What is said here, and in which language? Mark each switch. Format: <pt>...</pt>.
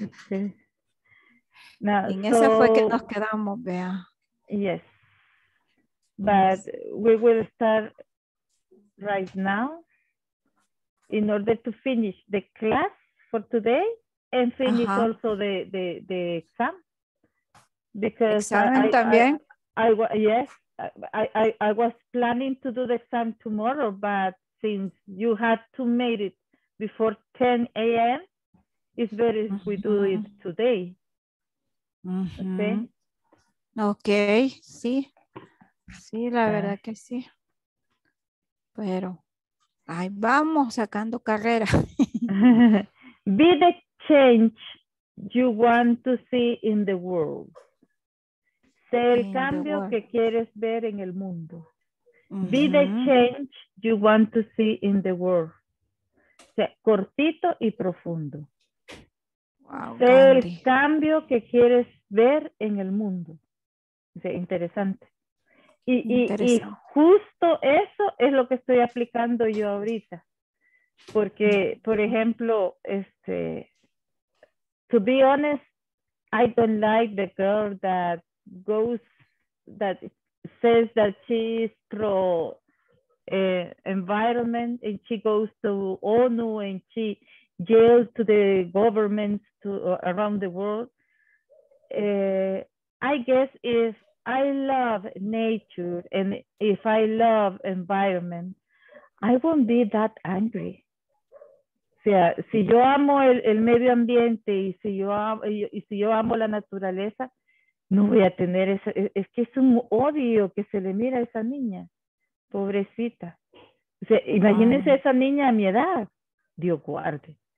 <en>Okay. Now,</en> <es>en eso fue que nos quedamos, Bea.</es> <en>Yes. But we will start right now in order to finish the class for today and finish also the exam. Because</en> <es>examen también.</es> <en>I was planning to do the exam tomorrow, but since you had to make it before 10 a.m., it's better if we do it today.</en> <es>Okay, sí. Sí, la verdad que sí. Pero ahí vamos sacando carrera.</es> <en>Be the change you want to see in the world.</en> <es>Sé el cambio que quieres ver en el mundo.</es> <en>Be the change you want to see in the world.</en> <es>O sea, cortito y profundo. Sé el cambio que quieres ver en el mundo. Sí, interesante. Y justo eso es lo que estoy aplicando yo ahorita. Porque, por ejemplo,</es> <en>to be honest, I don't like the girl that goes, that says that she's pro environment and she goes to ONU and she yells to the governments to around the world. I guess if I love nature and if I love environment, I won't be that angry.</en> <es>Si yo amo el medio ambiente y si yo amo la naturaleza, no voy a tener esa, es que es un odio que se le mira a esa niña, pobrecita. O sea, imagínense esa niña a mi edad, Dios guarde.</es>